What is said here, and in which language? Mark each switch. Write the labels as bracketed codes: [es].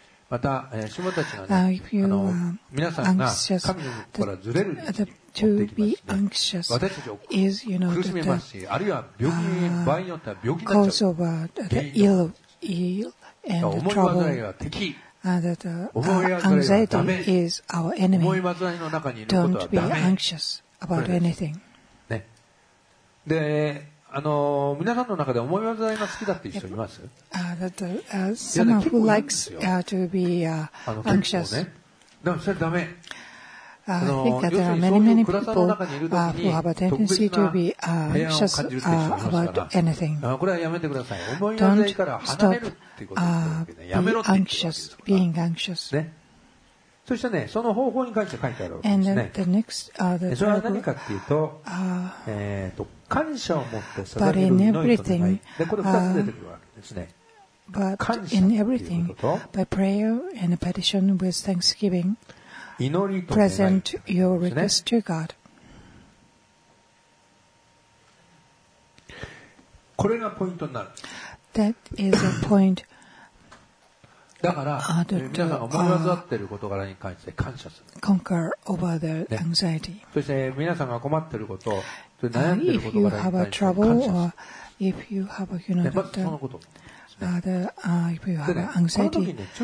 [ja] また、主たちがね、皆さんが神のところからずれる時期持ってきますね。私たちを苦しめますし、あるいは病気、場合によっては病気になっちゃう。 [en] Because of the ill and the trouble. [ja] 思い煩いは敵。 [en] Anxiety is our enemy. [ja] 思い煩いの中にいることはダメ。 [en] Don't be anxious about anything. [ja] ね。で、皆さんの中で思い煩いが好きだっていう人います？ [en] Someone who likes to be anxious. [ja] でもそれダメ。 [en] I think that there are many people who have a tendency to be anxious about anything. [ja] これはやめてください。思い煩いから離れるっていうことですよね。やめろって言ってるんですか。 [en] Being anxious. [ja] ね。そしてね、その方法に関して書いてあるわけですね。それは何かっていうと、感謝を持って捧げる祈りと願い。これ2つ出てくるわけですね。 [en] But [ja] 感謝っていうこと、 [en] by prayer and petition with thanksgiving, [ja] 祈りと願い。 [en] Present your request to God. [ja] これがポイントになる。 [en] That is a point. [ja] だから皆さんが思い煩っている事柄に関して感謝する。 [en] Conquer over the anxiety. [ja] そして皆さんが困っていること、悩んでいる事柄に関して感謝する。 [en] If you have a trouble, or if you have, you know, that, if you have anxiety,